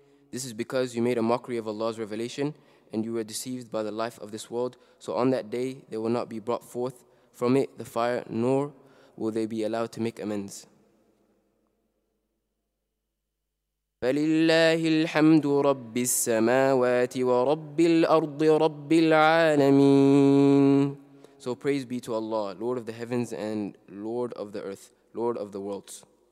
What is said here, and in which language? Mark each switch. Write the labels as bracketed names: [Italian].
[English] This is because you made a mockery of Allah's revelation and you were deceived by the life of this world. So on that day they will not be brought forth from it the fire, nor will they be allowed to make amends. [Arabic] فلله الحمد رب السماوات ورب الأرض رب العالمين. [English] So praise be to Allah, Lord of the heavens and Lord of the earth, Lord of the worlds.